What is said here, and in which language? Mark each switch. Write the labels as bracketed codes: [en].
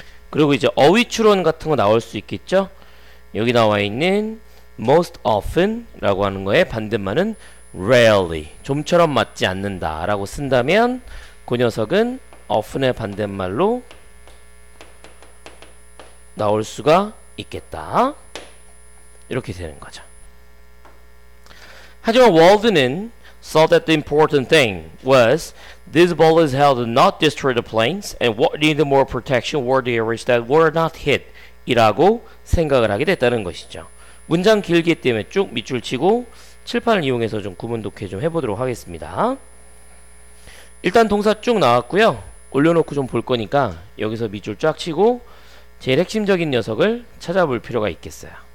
[ko] 그리고 이제 어휘추론 같은 거 나올 수 있겠죠? 여기 나와 있는 most often 라고 하는 거에 반대말은 rarely, 좀처럼 맞지 않는다 라고 쓴다면 그 녀석은 often의 반대말로 나올 수가 있겠다. 이렇게 되는 거죠. 하지만 [en] Walden은 saw that the important thing was these bullets had not destroyed the planes and what needed more protection were the areas that were not hit [ko] 이라고 생각을 하게 됐다는 것이죠. 문장 길기 때문에 쭉 밑줄 치고 칠판을 이용해서 좀 구문 독해 좀 해보도록 하겠습니다. 일단 동사 쭉 나왔고요. 올려놓고 좀 볼 거니까 여기서 밑줄 쫙 치고 제일 핵심적인 녀석을 찾아볼 필요가 있겠어요.